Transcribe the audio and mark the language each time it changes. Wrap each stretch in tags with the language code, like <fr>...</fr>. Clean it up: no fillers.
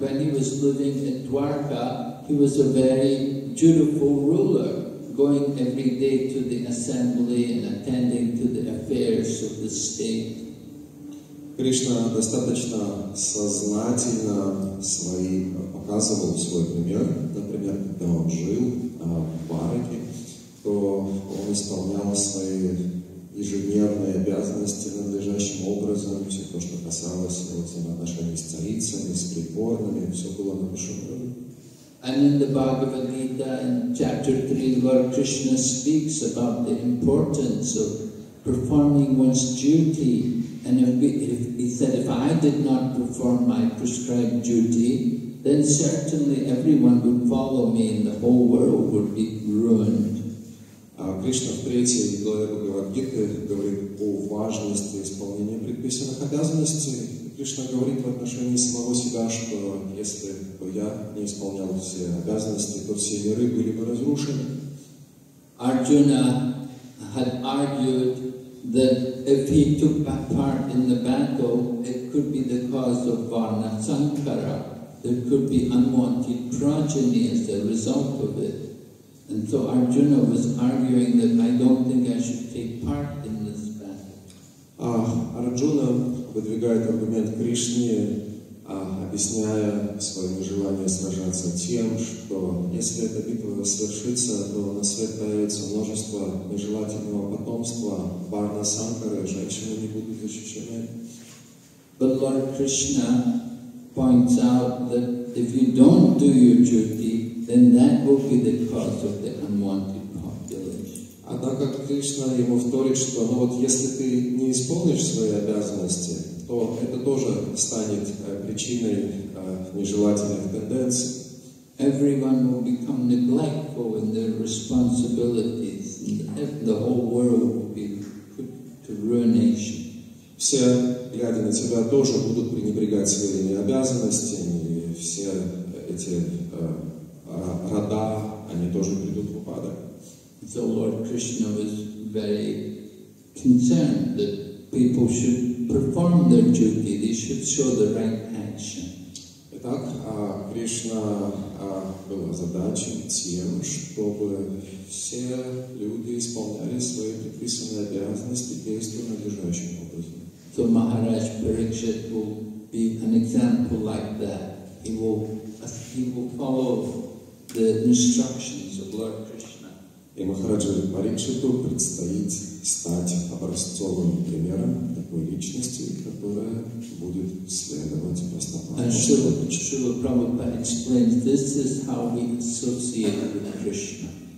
<en>When he was living in Dwarka, he was a very dutiful ruler, going every day to the assembly and attending to the affairs of the state.</en> <ru>Кришна достаточно сознательно показывал свой пример. Например, когда он жил в Дварке, то он исполнял свои ежедневные обязанности надлежащим образом, все то, что касалось вот, взаимоотношений с царицами, с придворными, все было на высшем уровне.</ru> <en>And in the Bhagavad Gita, in chapter 3, Lord Krishna speaks about the importance of performing one's duty. And if he said, if I did not perform my prescribed duty, then certainly everyone would follow me and the whole world would be ruined.</en> <ru>Кришна в 3 главе Бхагавад-гиты говорит о важности исполнения предписанных обязанностей. Кришна говорит в отношении самого себя, что если бы я не исполнял все обязанности, то все миры были бы разрушены.</ru> <en>Arjuna had argued that if he took part in the battle, it could be the cause of Varna Sankara. There could be unwanted progeny as a result of it. And so Arjuna was arguing that I don't think I should take part in this battle.</en> <ru>Arjuna выдвигает аргумент Кришне, объясняя свое нежелание сражаться тем, что если эта битва свершится, то на свет появится множество нежелательного потомства, Варна Санкары, женщины не будут защищены.</ru> <en>But Lord Krishna points out that if you don't do your duty, then that will be the cause of the unwanted population.</en> <ru>Однако Кришна ему вторит, что ну вот если ты не исполнишь свои обязанности, то это тоже станет причиной нежелательных тенденций.</ru> <en>everyone will become neglectful in their responsibilities, and the whole world will be put to ruination.</en> <ru>Все, глядя на тебя, тоже будут пренебрегать своими обязанностями, и все эти рода, они тоже придут в упадок.</ru> <en>So Lord Krishna was very concerned that people should perform their duty, they should show the right action.</en> <ru>Итак, Кришна была задачей тем, чтобы все люди исполняли свои предписанные обязанности, действуя надлежащим образом.</ru> <en>So Maharaj Parikshit will be an example like that. He will follow the instructions of Lord Krishna.</en> <ru>И Махараджа Парикшиту предстоит стать образцовым примером такой личности, которая будет следовать постановкам.</ru> <en>And Srila Prabhupada explains, this is how we associate with Krishna.</en>